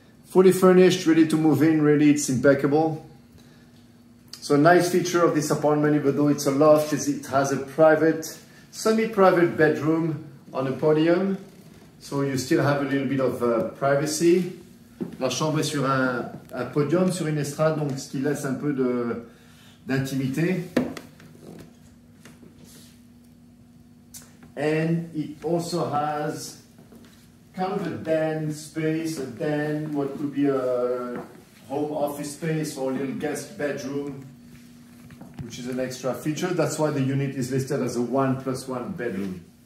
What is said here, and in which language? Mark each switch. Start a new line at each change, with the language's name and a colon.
English: Fully furnished, ready to move in, really it's impeccable. So a nice feature of this apartment, even though it's a loft, is it has a private, semi-private bedroom on a podium. So you still have a little bit of privacy.
French: La chambre est sur un podium, sur une estrade, donc ce qui laisse un peu d'intimité.
English: And it also has kind of a den space, a den, what could be a home office space or a little guest bedroom, which is an extra feature. That's why the unit is listed as a 1+1 bedroom.